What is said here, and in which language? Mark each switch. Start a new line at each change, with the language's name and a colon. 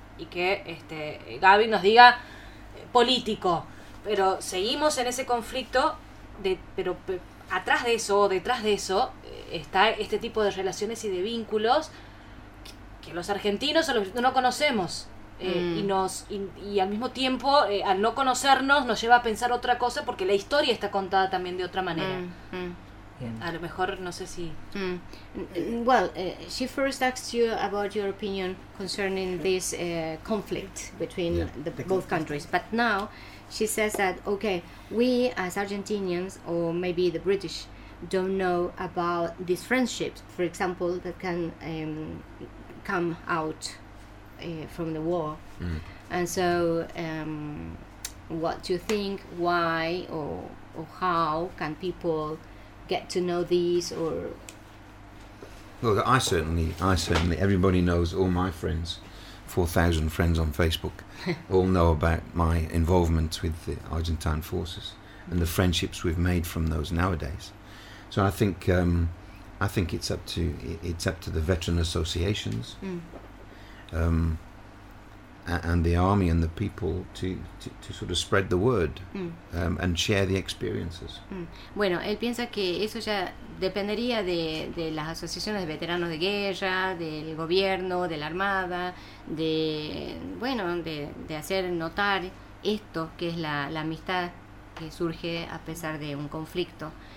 Spanish: Y que Gaby nos diga político, pero seguimos en ese conflicto, pero detrás de eso está este tipo de relaciones y de vínculos que los argentinos no conocemos. Y al mismo tiempo, al no conocernos, nos lleva a pensar otra cosa, porque la historia está contada también de otra manera. A lo mejor, no sé si...
English: Well, she first asks you about your opinion concerning this conflict between both countries. But now she says that, okay, we as Argentinians, or maybe the British, don't know about these friendships, for example, that can come out from the war. Mm. And so what do you think, why or how can people get to know these? Or, well, I certainly everybody knows, all my friends, 4,000 friends on Facebook, all know about my involvement with the Argentine forces and the friendships we've made from those nowadays. So I think it's up to the veteran associations, and the army and the people to sort of spread the word, and share the experiences.
Spanish: Bueno, él piensa que eso ya dependería de las asociaciones de veteranos de guerra, del gobierno, de la armada, de hacer notar esto, que es la amistad que surge a pesar de un conflicto.